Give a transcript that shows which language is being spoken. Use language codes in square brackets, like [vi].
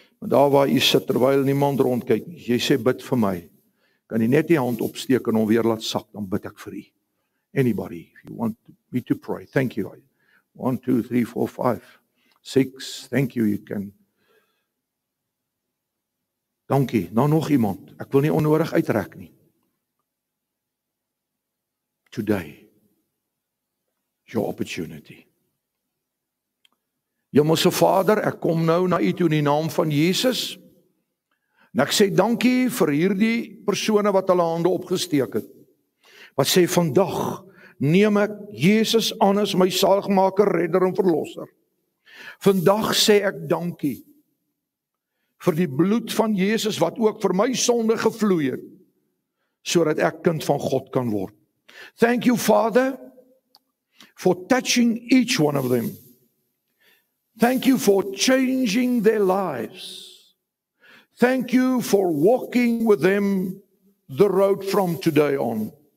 [af] Daar waar jy sit, terwijl niemand rondkijk, jy sê, bid vir my, kan jy net die hand opsteek en hom weer laat sak, dan bid ek vir jy. [en] Anybody, if you want me to pray, thank you. 1, 2, 3, 4, 5, 6, thank you, you can. [af] Dankie, nou nog iemand, ek wil nie onnodig uitrek nie. [en] Today is your opportunity. [af] Hemelse Vader, ek kom nou na u toe in die naam van Jesus, en ek sê dankie vir hierdie persone wat hulle hande opgesteek het, wat sê, vandag neem ek Jesus aan as my saligmaker, redder en verlosser. Vandag sê ek dankie vir die bloed van Jesus, wat ook vir my sonde gevloei het, sodat ek kind van God kan word. [en] Thank you, Father, for touching each one of them. Thank you for changing their lives. Thank you for walking with them the road from today on.